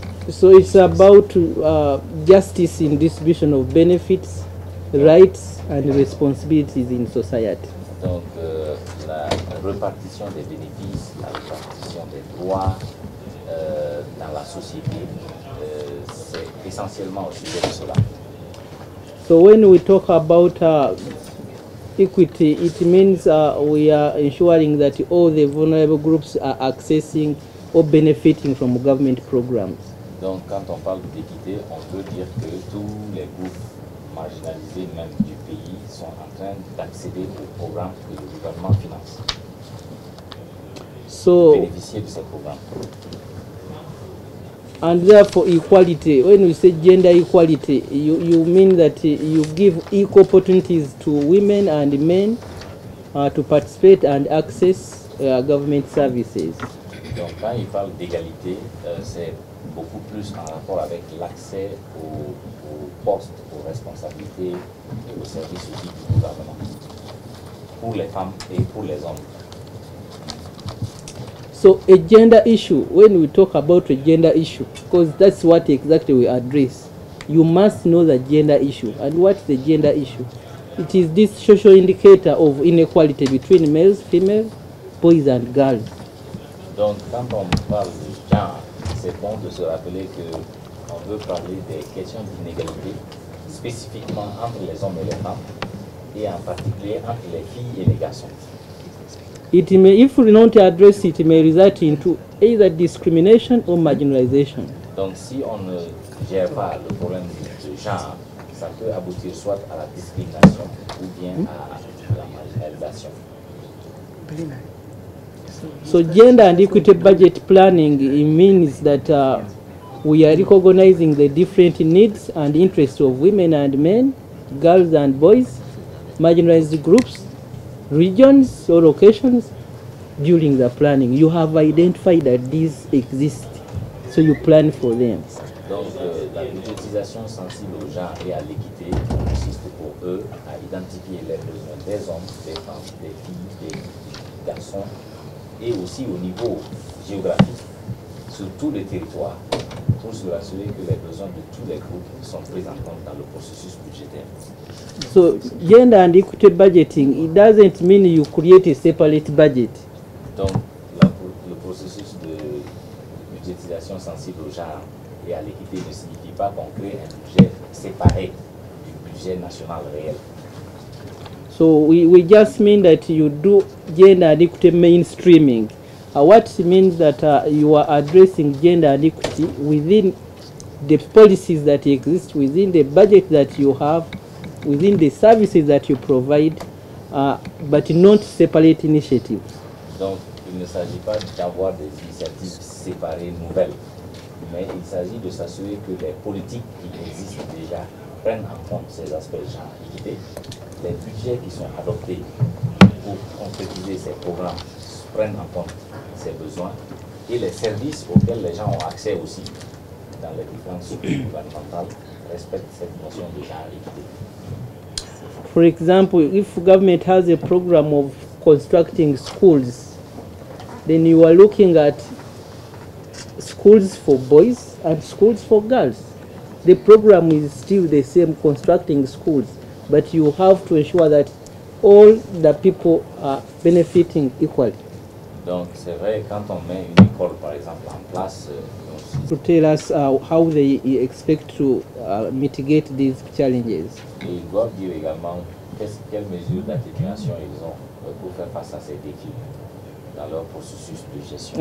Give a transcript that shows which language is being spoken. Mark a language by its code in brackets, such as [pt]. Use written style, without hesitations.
[en] So it's about justice in distribution of benefits, rights, and responsibilities in society. [fr] Donc la répartition des bénéfices, la répartition des droits dans la société, c'est essentiellement au sujet de cela. [en] So when we talk about equity, it means we are ensuring that all the vulnerable groups are accessing or benefiting from government programs. [fr] Donc quand on parle d'équité, on peut dire que tous les groupes marginalisés même du pays sont en train d'accéder aux programmes que le gouvernement finance. [en] So [fr] bénéficier de ces programmes. [en] And therefore equality, when we say gender equality, you mean that you give equal opportunities to women and men to participate and access government services. [fr] Donc quand il parle d'égalité, c'est beaucoup plus en rapport avec l'accès aux postes, aux responsabilités et aux services du gouvernement pour les femmes et pour les hommes. [en] So a gender issue, when we talk about a gender issue, because that's what exactly we address, you must know the gender issue. And what's the gender issue? It is this social indicator of inequality between males, females, boys and girls. [fr] Donc quand on parle de genre, c'est bon de se rappeler qu'on veut parler des questions d'inégalité, spécifiquement entre les hommes et les femmes, et en particulier entre les filles et les garçons. [en] It may, if we don't address it, it may result into either discrimination or marginalization. [fr] Donc si on ne gère pas le problème de genre, ça peut aboutir soit à la discrimination ou bien à la marginalisation. [en] So gender and equity budget planning, it means that we are recognizing the different needs and interests of women and men, girls and boys, marginalized groups, regions or locations during the planning. You have identified that these exist, so you plan for them. [fr] Donc la budgétisation sensible au genre et à l'équité consiste pour eux à identifier les besoins des hommes, des femmes, des filles, des garçons, et aussi au niveau géographique, sur tout le territoire, pour se rassurer que les besoins de tous les groupes sont pris en compte dans le processus budgétaire. [en] So gender and equity budgeting, it doesn't mean you create a separate budget. [fr] Donc le processus de budgétisation sensible au genre et à l'équité ne signifie pas qu'on crée un budget séparé du budget national réel. [en] So we just mean that you do gender and equity mainstreaming. What means that you are addressing gender and equity within the policies that exist, within the budget that you have, within the services that you provide, But not separate initiatives. [fr] Donc, il ne s'agit pas d'avoir des initiatives séparées nouvelles, mais il s'agit de s'assurer que les politiques qui existent déjà prennent en compte ces aspects de genre équité, les budgets qui sont adoptés pour concrétiser ces programmes prennent en compte ces besoins et les services auxquels les gens ont accès aussi dans les différentes structures gouvernementales respectent cette notion de genre équité. [en] For example, if government has a program of constructing schools, then you are looking at schools for boys and schools for girls. The program is still the same, constructing schools, but you have to ensure that all the people are benefiting equally. [fr] Donc c'est vrai, quand on met une école, par exemple, en place, [en] to tell us how they expect to mitigate these challenges. [fr] Ils doivent dire également quelles mesures d'atténuation ils ont pour faire face à ces défis dans leur processus de gestion.